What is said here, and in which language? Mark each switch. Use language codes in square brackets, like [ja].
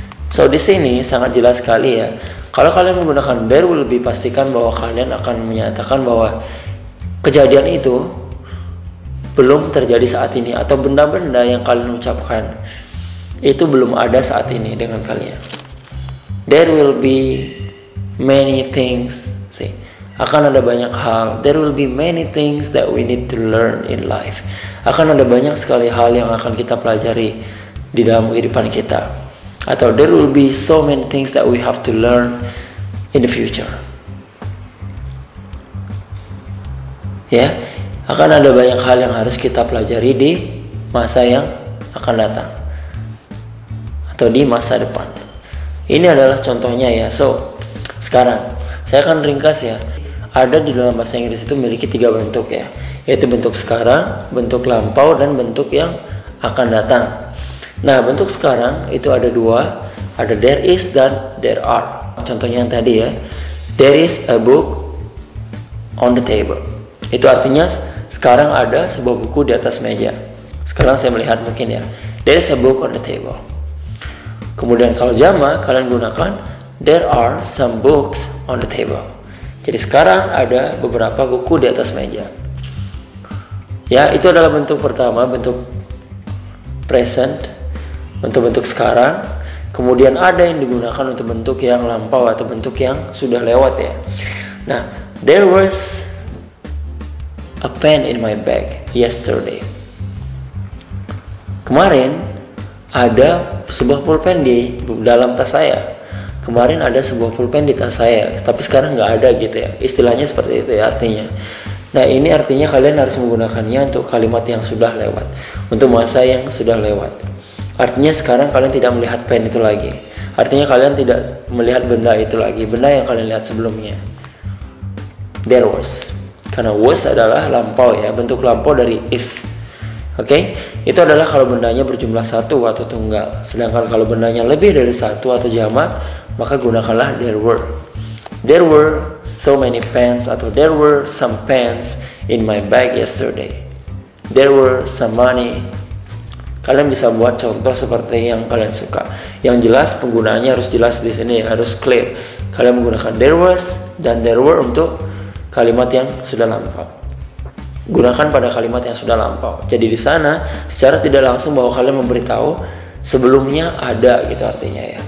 [id] So, di sini sangat jelas sekali ya. Kalau kalian menggunakan there will be, pastikan bahwa kalian akan menyatakan bahwa kejadian itu belum terjadi saat ini atau benda-benda yang kalian ucapkan itu belum ada saat ini dengan kalian. [en] There will be many things. See, [id] akan ada banyak hal. [en] There will be many things that we need to learn in life. [id] Akan ada banyak sekali hal yang akan kita pelajari di dalam kehidupan kita. Atau [en] there will be so many things that we have to learn in the future. [id] Ya, akan ada banyak hal yang harus kita pelajari di masa yang akan datang atau di masa depan. Ini adalah contohnya ya. So, sekarang saya akan ringkas ya. Ada di dalam bahasa Inggris itu memiliki tiga bentuk ya, yaitu bentuk sekarang, bentuk lampau, dan bentuk yang akan datang. Nah, bentuk sekarang itu ada dua, ada [en] there is [id] dan [en] there are. [id] Contohnya yang tadi ya, [en] there is a book on the table. [id] Itu artinya sekarang ada sebuah buku di atas meja. Sekarang saya melihat mungkin ya, [en] there is a book on the table. [id] Kemudian kalau jamak, kalian gunakan [en] there are some books on the table. [id] Jadi sekarang ada beberapa buku di atas meja. Ya, itu adalah bentuk pertama, bentuk present, bentuk-bentuk sekarang. Kemudian ada yang digunakan untuk bentuk yang lampau atau bentuk yang sudah lewat ya. [en] Nah, there was a pen in my bag yesterday. [id] Kemarin ada sebuah pulpen di dalam tas saya. Kemarin ada sebuah pulpen di tas saya, tapi sekarang nggak ada gitu ya. Istilahnya seperti itu ya artinya. Nah, ini artinya kalian harus menggunakannya untuk kalimat yang sudah lewat, untuk masa yang sudah lewat. Artinya sekarang kalian tidak melihat pen itu lagi. Artinya kalian tidak melihat benda itu lagi, benda yang kalian lihat sebelumnya. [en] There was. [id] Karena was adalah lampau ya, bentuk lampau dari is. Oke, okay? Itu adalah kalau bendanya berjumlah satu atau tunggal. Sedangkan kalau bendanya lebih dari satu atau jamak, maka gunakanlah [en] there were. There were so many pens [id] atau [en] there were some pens in my bag yesterday. There were some money. [id] Kalian bisa buat contoh seperti yang kalian suka. Yang jelas penggunaannya harus jelas di sini, harus clear. Kalian menggunakan [en] there was [id] dan [en] there were [id] untuk kalimat yang sudah lampau. Gunakan pada kalimat yang sudah lampau. Jadi di sana secara tidak langsung bahwa kalian memberitahu sebelumnya ada gitu artinya ya.